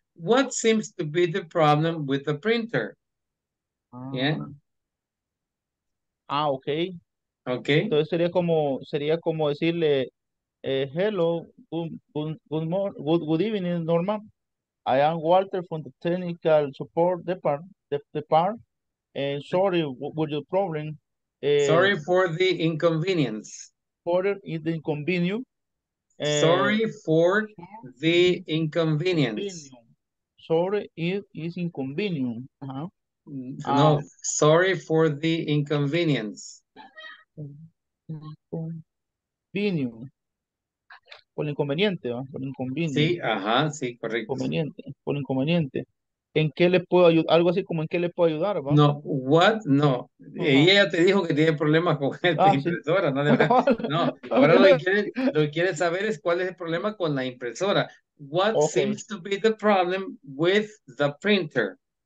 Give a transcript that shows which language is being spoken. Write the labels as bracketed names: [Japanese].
[English] What seems to be the problem with the printer? Yeah. Ah, okay. Okay. [Spanish] Entonces sería como decirle, [English] hello, good evening, [Spanish] Norma. [English] I am Walter from the technical support department. Sorry, what's your problem? Sorry for the inconvenience. Sorry for the inconvenience. [Spanish] Por el inconveniente, ¿no? Por el inconveniente. Sí, ajá, sí, correcto. Por inconveniente. ¿En qué le puedo ayudar? Algo así como, ¿en qué le puedo ayudar? ¿Va? [English] No, what? No. Uh-huh. [Spanish] Ella te dijo que tiene problemas con la impresora. Sí. No, ahora lo que quiere saber es cuál es el problema con la impresora. [English] What seems to be the problem with the printer?